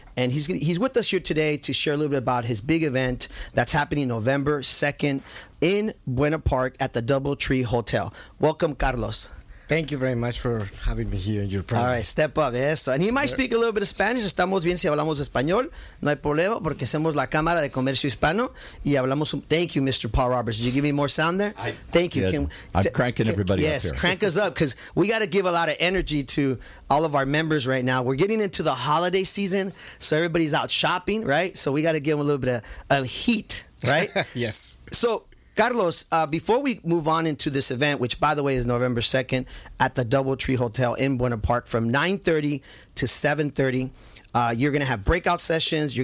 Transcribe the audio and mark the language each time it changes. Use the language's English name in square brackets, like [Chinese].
[English] And he's with us here today to share a little bit about his big event that's happening November 2nd in Buena Park at the DoubleTree Hotel. Welcome, Carlos. Thank you very much for having me here in your program. All right, step up, eso. And he might speak a little bit of Spanish. [Spanish] Estamos bien si hablamos español. No hay problema porque somos la Cámara de Comercio Hispano y hablamos. [English] Thank you, Mr. Paul Roberts. Did you give me more sound there? Thank you. I'm cranking everybody up here. Yes, crank us up because we got to give a lot of energy to all of our members right now. We're getting into the holiday season, so everybody's out shopping, right? So we got to give them a little bit of heat, right? Yes. So, Carlos, before we move on into this event, which, by the way, is November 2nd at the DoubleTree Hotel in Buena Park from 9:30 to 7:30, you're going to have breakout sessions.